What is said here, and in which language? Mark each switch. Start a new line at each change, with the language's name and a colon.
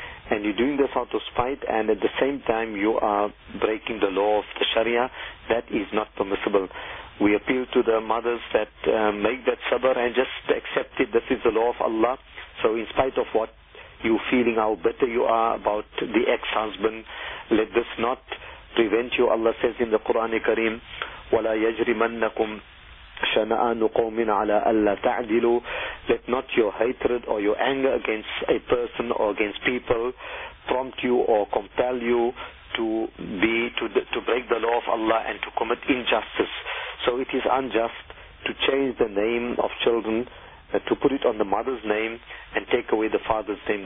English: And you're doing this out of spite, and at the same time you are breaking the law of the Sharia. That is not permissible. We appeal to the mothers that make that sabr and just accept it. This is the law of Allah. So in spite of what you're feeling, how bitter you are about the ex-husband, let this not prevent you. Allah says in the Quran Kareem,
Arabic: وَلَا يَجْرِمَنَّكُمْ شَنَآنُ قَوْمٍ عَلَىٰ أَلَّا تَعْدِلُوا.
English: Let not your hatred or your anger against a person or against people prompt you or compel you to break the law of Allah and to commit injustice. So it is unjust to change the name of children, to put it on the mother's name and take away the father's name.